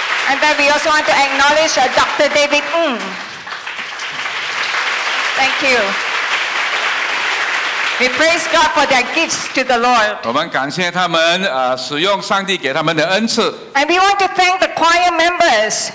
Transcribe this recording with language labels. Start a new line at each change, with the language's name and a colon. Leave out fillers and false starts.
English: And then we also want to acknowledge Dr. David Ng. Thank you. We praise God for their gifts to the Lord.
Chinese: 我们感谢他们使用上帝给他们的恩赐。
English: And we want to thank the choir members.